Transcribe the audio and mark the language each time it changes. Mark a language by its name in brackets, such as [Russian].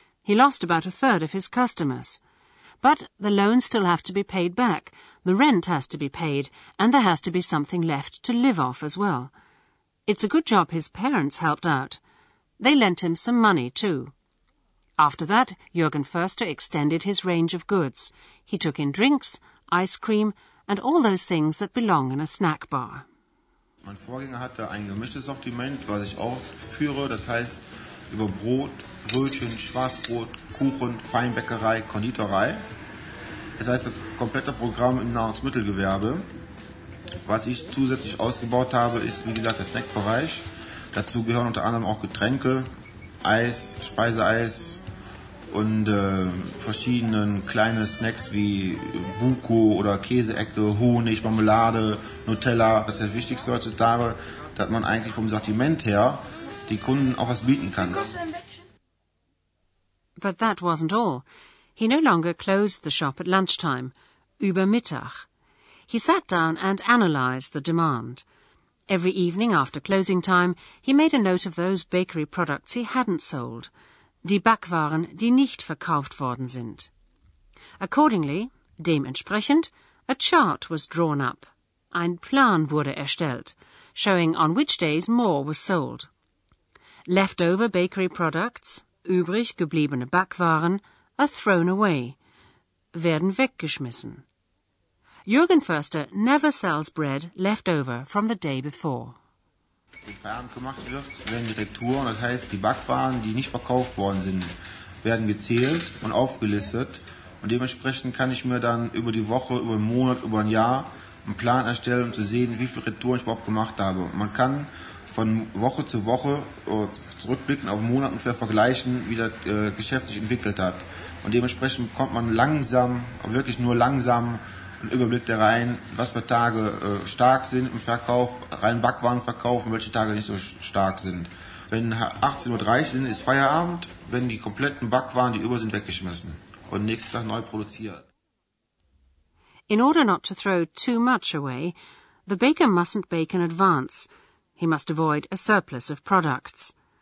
[English] He lost about a third of his customers. But the loans still have to be paid back, the rent has to be paid, and there has to be something left to live off as well. It's a good job his parents helped out. They lent him some money, too. After that, Jürgen Förster extended his range of goods. He took in drinks, ice cream, and all those things that belong in a snack bar. [German] Mein Vorgänger hatte ein gemischtes Sortiment, was ich auch führe, das heißt über Brot, Brötchen, Schwarzbrot, Kuchen, Feinbäckerei, Konditorei. Das heißt, ein komplettes Programm im Nahrungsmittelgewerbe. Was ich zusätzlich ausgebaut habe, ist, wie gesagt, der Snackbereich. Dazu gehören unter anderem auch Getränke, Eis, Speiseeis und verschiedene kleine Snacks wie Buko oder Käseecke, Honig, Marmelade, Nutella. Das ist das Wichtigste heutzutage, dass man eigentlich vom Sortiment her die Kunden auch was bieten kann. [English] But that wasn't all. He no longer closed the shop at lunchtime, [German] über Mittag. [English] He sat down and analyzed the demand. Every evening after closing time, he made a note of those bakery products he hadn't sold, [German] die Backwaren, die nicht verkauft worden sind. [English] Accordingly, [German] dementsprechend, [English] a chart was drawn up. [German] Ein Plan wurde erstellt, [English] showing on which days more was sold. Leftover bakery products, [German] übrig gebliebene Backwaren, [English] are thrown away, [German] werden weggeschmissen. [English] Jürgen Förster never sells bread left over from the day before. [German] Wenn Feierabend gemacht wird, werden die Retouren, das heißt die Backwaren, die nicht verkauft worden sind, werden gezählt und aufgelistet. Und dementsprechend kann ich mir dann über die Woche, über den Monat, über ein Jahr einen Plan erstellen, um zu sehen, wie viele Retouren ich überhaupt gemacht habe. Man kann von Woche zu Woche zurückblicken auf Monate und vergleichen, wie das Geschäft sich entwickelt hat. Und dementsprechend kommt man langsam, wirklich nur langsam, ein Überblick der Reihen, was für Tage stark sind im Verkauf, rein Backwaren verkaufen, welche Tage nicht so stark sind. Wenn 18.30 Uhr sind, ist Feierabend, wenn die kompletten Backwaren, die über sind, weggeschmissen und nächsten Tag neu produziert. [English] In order not to throw too much away, the baker mustn't bake in advance. He must avoid a surplus of products.